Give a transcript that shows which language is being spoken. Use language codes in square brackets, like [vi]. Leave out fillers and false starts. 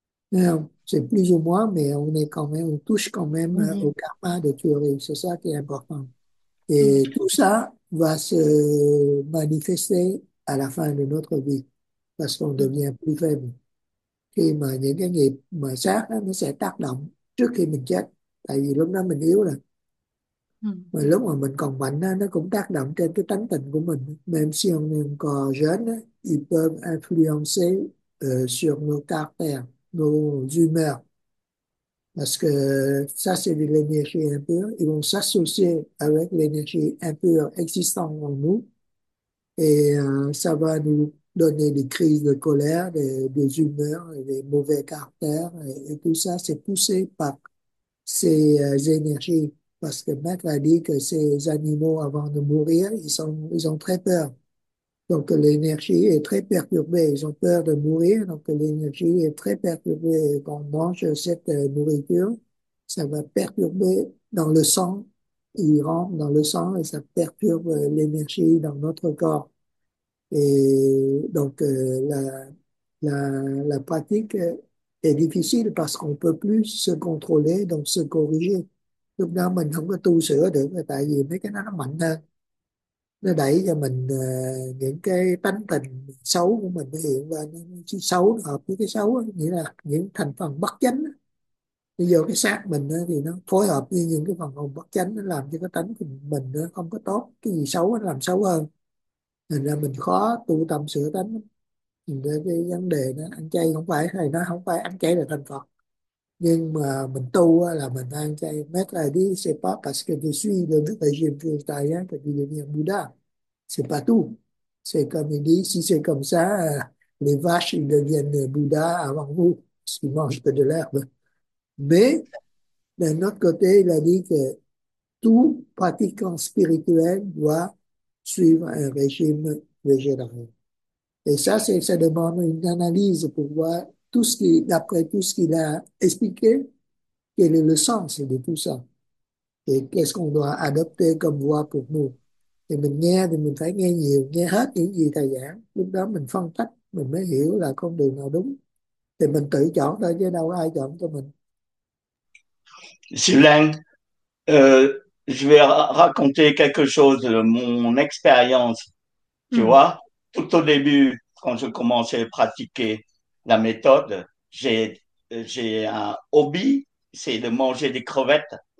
[vi] Thấy không? [fr] C'est plus ou moins, mais on est quand même, on touche quand même au karma de tuerie. C'est ça qui est important. Et tout ça va se manifester à la fin de notre vie. Parce qu'on devient plus faible. [vi] Khi mà những cái nghiệp mà sát đó, nó sẽ tác động trước khi mình chết. Tại vì lúc đó mình yếu rồi. Mà lúc mà mình còn mạnh á, nó cũng tác động trên cái tánh tình của mình. [fr] Même si on est encore jeune, ils peuvent influencer sur nos caractères, nos humeurs. Parce que ça, c'est de l'énergie impure. Ils vont s'associer avec l'énergie impure existante en nous. Et ça va nous donner des crises de colère, des humeurs, des mauvais caractères. Et tout ça, c'est poussé par ces énergies. Parce que Maître a dit que ces animaux, avant de mourir, ils ont très peur. Donc l'énergie est très perturbée. Ils ont peur de mourir. Donc l'énergie est très perturbée. Et quand on mange cette nourriture, ça va perturber dans le sang. Il rentre dans le sang et ça perturbe l'énergie dans notre corps. Et donc la pratique est difficile parce qu'on peut plus se contrôler, donc se corriger. [vi] Lúc đó mình không có tu sửa được, tại vì mấy cái nó mạnh hơn. Nó đẩy cho mình những cái tánh tình xấu của mình hiện lên. Cái xấu nó hợp với cái xấu đó, nghĩa là những thành phần bất chánh. Bây giờ cái xác mình đó, thì nó phối hợp với những cái phần không bất chánh, nó làm cho cái tánh của mình nó không có tốt. Cái gì xấu nó làm xấu hơn. Thành ra mình khó tu tâm sửa tánh. Nhìn ra cái vấn đề nó ăn chay không phải, hay nó không phải ăn chay là thành Phật. Nhưng mà mình tu là mình ăn chay. [fr] Maître a dit, c'est pas parce que je suis le régime végétarien que je deviens Bouddha. C'est pas tout. C'est comme il dit, si c'est comme ça, les vaches ils deviennent Bouddha avant vous, parce qu'ils mangent que de l'herbe. Mais, d'un autre côté, il a dit que tout pratiquant spirituel doit suivre un régime végétarien. Et ça demande une analyse pour voir tout ce qui, d'après tout ce qu'il a expliqué, quel est le sens de tout ça? Et qu'est-ce qu'on doit adopter comme voie pour nous? [vi] Et mình nghe thì mình phải nghe nhiều, nghe hết những gì thầy giảng. Lúc đó mình phân tích, mình mới hiểu là con đường nào đúng. Thì mình tự chọn thôi chứ đâu có ai chọn cho mình. [fr] Julien, je vais raconter quelque chose de mon expérience. Tu vois, tout au début, quand je commençais à pratiquer la méthode, j'ai un hobby, c'est de manger des crevettes.